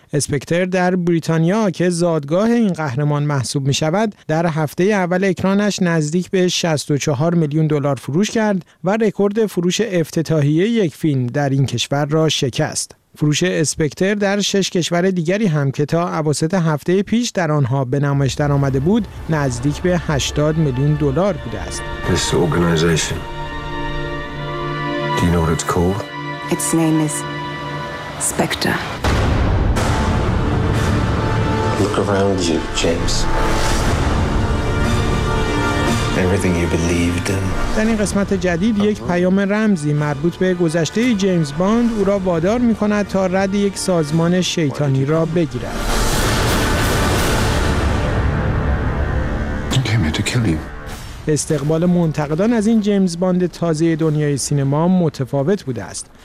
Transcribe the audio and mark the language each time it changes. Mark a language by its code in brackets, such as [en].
[fa] اسپکتر در بریتانیا که زادگاه این قهرمان محسوب می شود، در هفته اول اکرانش نزدیک به 64 میلیون دلار فروش کرد و رکورد فروش افتتاحیه یک فیلم در این کشور را شکست. فروش اسپکتر در 6 کشور دیگری هم که تا اواسط هفته پیش در آنها به نمایش در آمده بود، نزدیک به 80 میلیون دلار بوده است. [en] This organization. Do you know what it's called? Its name is Spectre. Look around you, James. Everything you believed in. [fa] در این قسمت جدید یک پیام رمزی مربوط به گذشته جیمز باند او را وادار می‌کند تا رد یک سازمان شیطانی را بگیرد. [en] Came to kill you. [fa] استقبال منتقدان از این جیمز باند تازه دنیای سینما متفاوت بوده است.